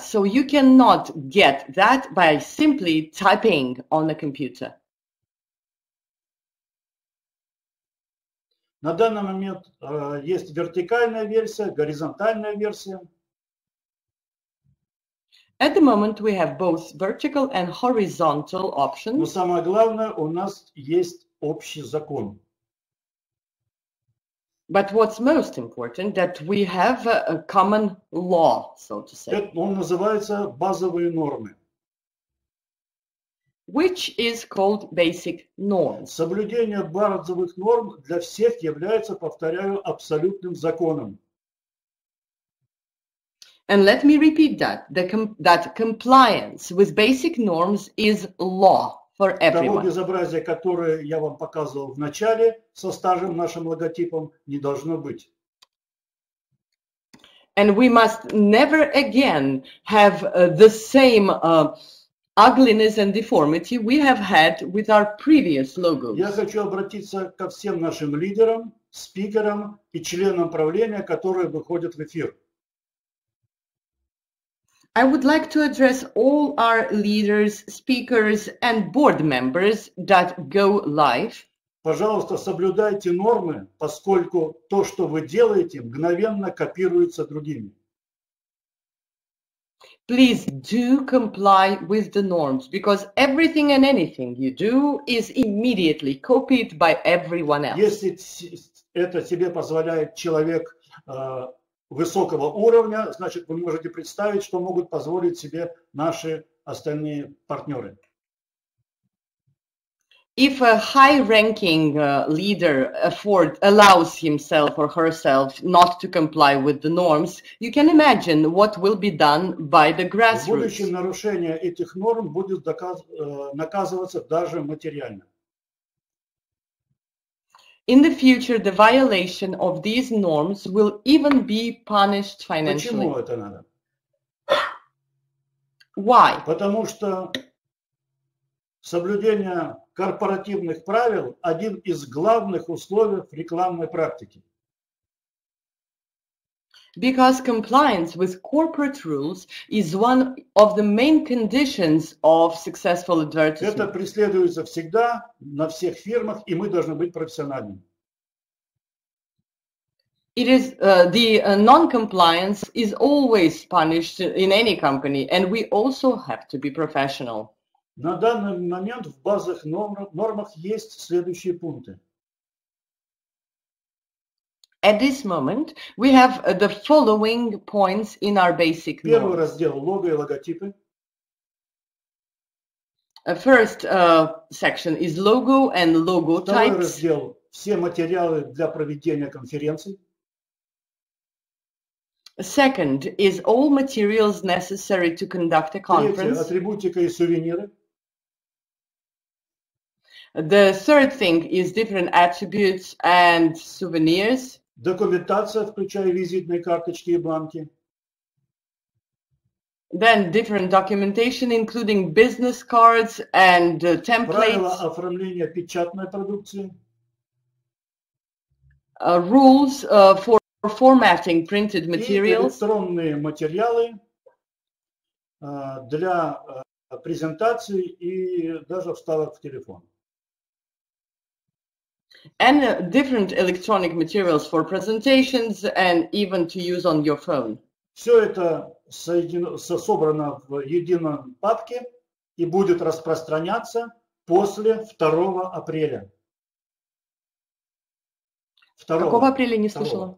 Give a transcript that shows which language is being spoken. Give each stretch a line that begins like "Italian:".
English: So you cannot get that by simply typing on the computer.
Russian: На данный момент есть вертикальная версия, горизонтальная версия.
English: At the moment we have both vertical and horizontal options.
Russian: Но самое главное, у нас есть общий закон.
English: But what's most important, that we have a common law, so to say.
Russian: Он называется базовые нормы.
English: Which is called basic norms.
Russian: Соблюдение базовых норм для всех является, повторяю, абсолютным законом.
English: And let me repeat that, that compliance with basic norms is law for everyone.
Russian: Того безобразия, которое я вам показывал в начале, со стажем нашим логотипом, не должно быть.
English: And we must never again have the same ugliness and deformity we have had with our previous logos.
Russian: Я хочу обратиться ко всем нашим лидерам, спикерам и членам правления, которые выходят в эфир.
English: I would like to address all our leaders, speakers and board members that go live.
Russian: Пожалуйста, соблюдайте нормы, поскольку то, что вы делаете, мгновенно копируется другими.
English: Please do comply with the norms, because everything and anything you do is immediately copied by everyone else.
Russian: Если это себе позволяет человек высокого уровня, значит, вы можете представить, что могут позволить себе наши остальные партнеры.
English: If a high-ranking leader allows himself or herself not to comply with the norms, you can imagine what will be done by the grassroots.
Russian: В будущем нарушение этих норм будет наказываться даже материально.
English: In the future, the violation of these norms will even be punished financially.
Russian: Почему это надо?
English: Why?
Russian: Потому что соблюдение корпоративных правил – один из главных условий рекламной практики.
English: Because compliance with corporate rules is one of the main conditions of successful advertising.
Russian: Это преследуется всегда на всех фирмах, и мы должны быть профессиональными.
English: It is the non-compliance is always punished in any company, and we also have to be professional.
Russian: На данный момент в базовых нормах есть следующие пункты.
English: At this moment, we have the following points in our basic norms.
Russian: Первый раздел – лого и логотипы.
English: First section is logo and logo
Russian: Второй
English: types.
Russian: Второй раздел – все материалы для проведения конференции.
English: Second is all materials necessary to conduct a conference.
Russian: Третье – атрибутика и сувениры.
English: The third thing is different attributes and souvenirs.
Russian: Документация, включая визитные карточки и бланки.
English: Then different documentation, including business cards and templates.
Russian: Правила оформления печатной продукции.
English: Rules for formatting printed materials.
Russian: И электронные материалы для презентации и даже вставок в телефон.
English: And different electronic materials for presentations and even to use on your phone.
Russian: Все это собрано в едином папке и будет распространяться после 2 апреля.
English: 2.
Russian: Какого апреля не слышала?